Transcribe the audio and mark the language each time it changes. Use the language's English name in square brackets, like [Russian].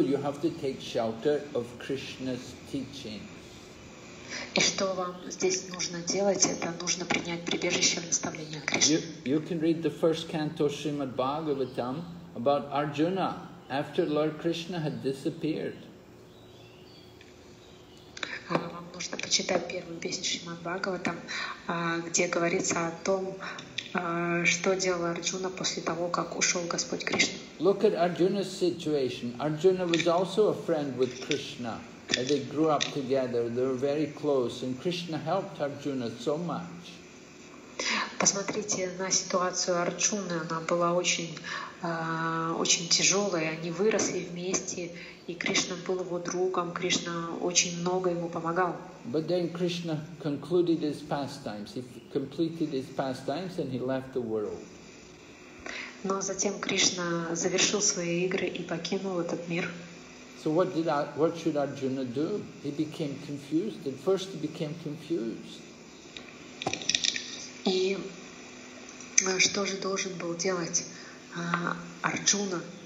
[English] You have to take shelter of Krishna's teaching. [Russian] И что вам здесь нужно делать? Это нужно принять прибежище в наставлениях Кришны. [English] You can read the first canto Srimad Bhagavatam about Arjuna after Lord Krishna had disappeared. [Russian] Вам нужно почитать первую песню Шримад Бхагаватам, где говорится о том, что делал Арджуна после того, как ушел Господь Кришна. [English] Look at Arjuna's situation. Arjuna was also a friend with Krishna. They grew up together. They were very close, and Krishna helped Arjuna so much. [Russian] Посмотрите на ситуацию Арджуны. Она была очень тяжелая. Они выросли вместе. И Кришна был его другом, Кришна очень много ему помогал. [English] But then Krishna concluded his pastimes. He completed his pastimes and he left the world. [Russian] Но затем Кришна завершил свои игры и покинул этот мир. [English] So what should Arjuna do? He became confused. At first he became confused. [Russian] И что же должен был делать Арджуна?